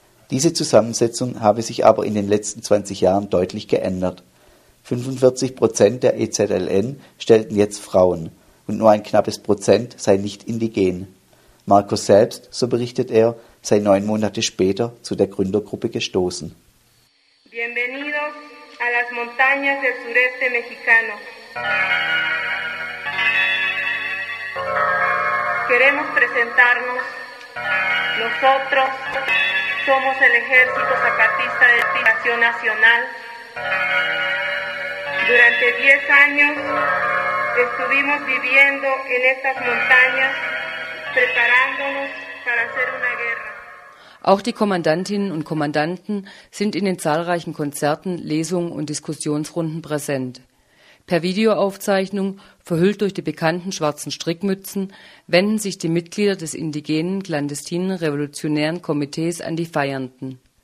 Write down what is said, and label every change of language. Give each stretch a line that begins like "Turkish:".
German: Diese Zusammensetzung habe sich aber in den letzten 20 Jahren deutlich geändert. 45% der EZLN stellten jetzt Frauen und nur ein knappes Prozent sei nicht indigen. Marcos selbst, so berichtet er, sei 9 Monate später zu der Gründergruppe gestoßen.
Spanish: Bienvenidos a las montañas del sureste mexicano. Queremos presentarnos nosotros. Somos el ejército zapatista de liberación nacional. Durante 10 años estuvimos viviendo en estas montañas, preparándonos para hacer una guerra.
German: Auch die Kommandantinnen und Kommandanten sind in den zahlreichen Konzerten, Lesungen und Diskussionsrunden präsent. Per Videoaufzeichnung, verhüllt durch die bekannten schwarzen Strickmützen, wenden sich die Mitglieder des indigenen, klandestinen, revolutionären Komitees an die Feiernden.